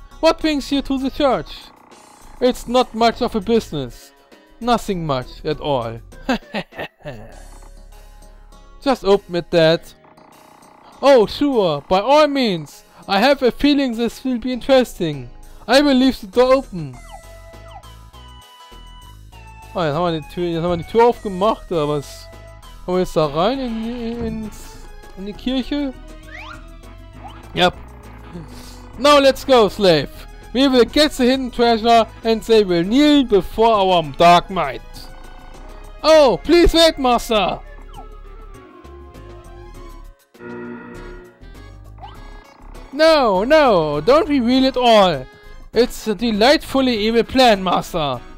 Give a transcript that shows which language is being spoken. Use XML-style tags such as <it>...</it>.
<en>What brings you to the church? It's not much of a business. Nothing much at all. Just open it, Dad. Oh, sure. By all means. I have a feeling this will be interesting. I will leave the door open.</en> <de>Ah, jetzt haben wir die Tür aufgemacht, oder was? Kommen wir jetzt da rein in die Kirche?</de> <en>Yep. Now let's go, slave. We will get the hidden treasure and they will kneel before our dark might. Oh, please wait, master. No, no, don't reveal it all. It's a delightfully evil plan, master.</en>